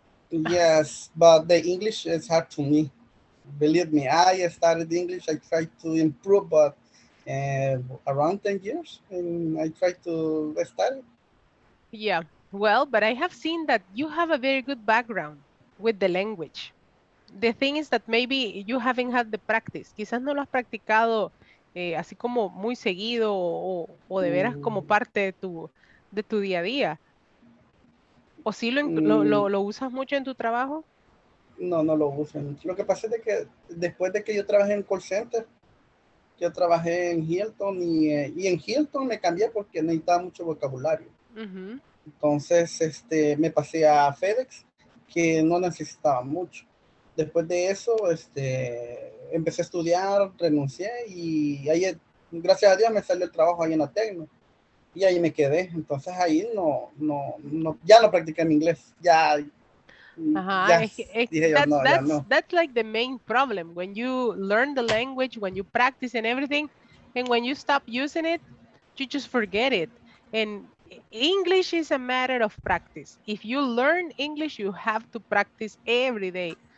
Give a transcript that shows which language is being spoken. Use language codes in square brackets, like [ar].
[en] Yes, but the English is hard to me. believe me, I started English. I tried to improve, but around 10 years, and I tried to study. Yeah, well, but I have seen that you have a very good background with the language. The thing is that maybe you haven't had the practice. [es] Quizás no lo has practicado así como muy seguido o de veras como parte de tu día a día. ¿O sí lo usas mucho en tu trabajo? No lo uso. Lo que pasa es que después de que yo trabajé en call center, yo trabajé en Hilton y en Hilton me cambié porque necesitaba mucho vocabulario. Uh-huh. Entonces me pasé a FedEx, que no necesitaba mucho. Después de eso, empecé a estudiar, renuncié y ahí, gracias a Dios, me salió el trabajo ahí en la Tecno. Y ahí me quedé. Entonces ahí no ya no practiqué mi inglés. Ya. Ajá. Dije, no. [en] That's like the main problem. When you learn the language, when you practice and everything, and when you stop using it, you just forget it. And English is a matter of practice. If you learn English, you have to practice every day.